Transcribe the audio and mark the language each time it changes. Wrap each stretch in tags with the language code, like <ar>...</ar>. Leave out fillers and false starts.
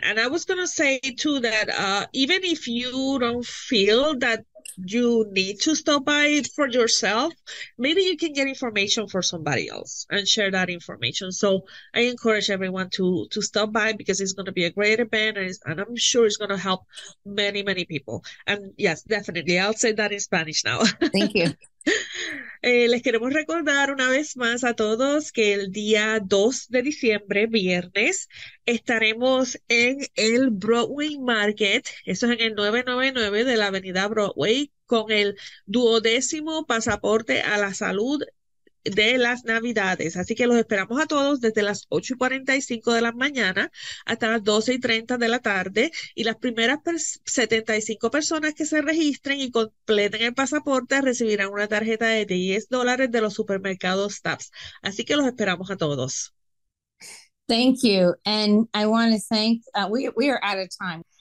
<en>And I was going to say, too, that even if you don't feel that you need to stop by for yourself, maybe you can get information for somebody else and share that information. So I encourage everyone to stop by because it's going to be a great event and I'm sure it's going to help many, many people. And yes, definitely. I'll say that in Spanish now. Thank you.</en> <es>Les queremos recordar una vez más a todos que el día 2 de diciembre, viernes, estaremos en el Broadway Market, eso es en el 999 de la Avenida Broadway, con el duodécimo pasaporte a la salud de las Navidades. Así que los esperamos a todos desde las 8:45 de la mañana hasta las 12:30 de la tarde. Y las primeras 75 personas que se registren y completen el pasaporte recibirán una tarjeta de $10 de los supermercados TAPS. Así que los esperamos a todos.</es> <en>Thank you. And I want to thank, we are out of time.</en>